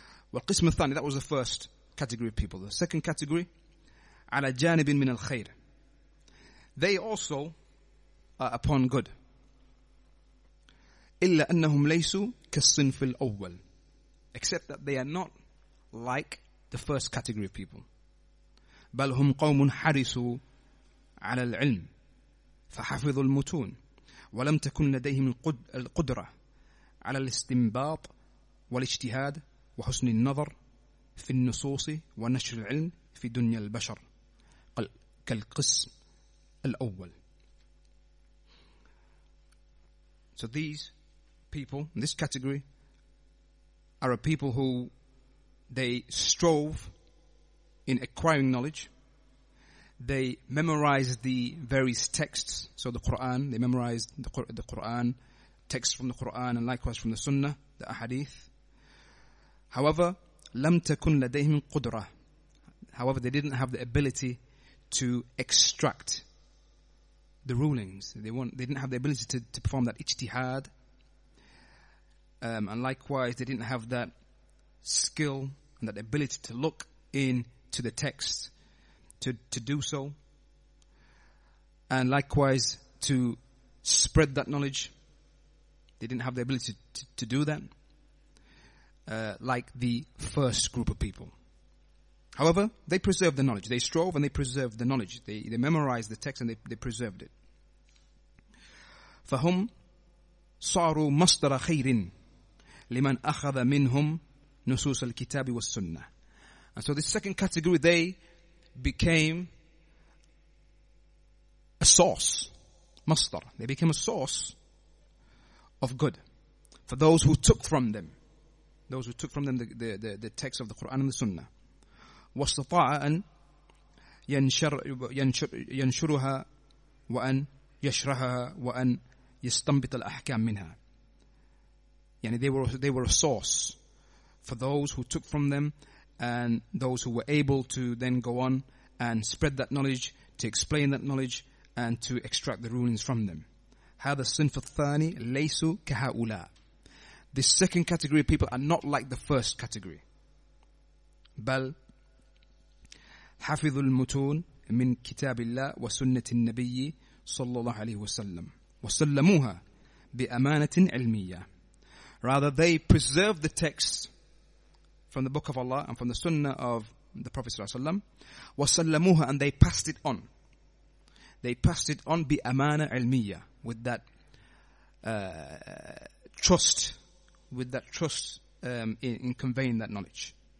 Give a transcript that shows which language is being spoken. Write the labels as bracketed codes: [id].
[en] Well, [ar] qism al-thani, [en] that was the first category of people. The second category, [ar] ala janibin min al-khayr, [en] they also are upon good. [ar] Illa annahum laysu kas-sinf al-awwal, [en] except that they are not like the first category of people. [ar] Bal hum qawmun harisu على العلم فحفظوا المتون ولم تكن لديهم القدرة على الاستنباط والاجتهاد وحسن النظر في النصوص ونشر العلم في دنيا البشر كالقسم الأول. [en] So these people, this category, are a people who they strove in acquiring knowledge. They memorized the various texts, so the Quran, they memorized the Quran, texts from the Quran, and likewise from the Sunnah, the Ahadith. However, [ar] لم تكن لديهم قدرة, [en] however, they didn't have the ability to extract the rulings. They didn't have the ability to perform that ijtihad. And likewise, they didn't have that skill and that ability to look into the texts. To do so, and likewise to spread that knowledge, they didn't have the ability to do that, like the first group of people. However, they preserved the knowledge. They strove and they preserved the knowledge. They memorized the text and they preserved it. [ar] فهم صاروا مصدر خير لمن أخذ منهم نصوص الكتاب والسنة. [en] And so, the second category, they became a source, masdar. They became a source of good for those who took from them, those who took from them the text of the Quran and the Sunnah. [ar] وَاسْتَطَاعَاً يَنْشُرُهَا وَأَنْ يَشْرَحَهَا وَأَنْ يَسْتَنْبِطَ الْأَحْكَامَ مِنْهَا. [en] Yani they were a source for those who took from them, and those who were able to then go on and spread that knowledge, to explain that knowledge, and to extract the rulings from them. [ar] هذا الصنف الثاني ليسوا كهؤلاء. [en] The second category of people are not like the first category. [ar] بل حفظوا المتون من كتاب الله وسنة النبي صلى الله عليه وسلم وسلموها بأمانة علمية. [en] Rather, they preserve the text from the Book of Allah and from the Sunnah of the Prophet ﷺ, [ar] وَسَلَّمُوهَا, [en] and they passed it on. They passed it on [ar] بِأَمَانَ عِلْمِيَّ, [en] with that trust, with that trust in conveying that knowledge.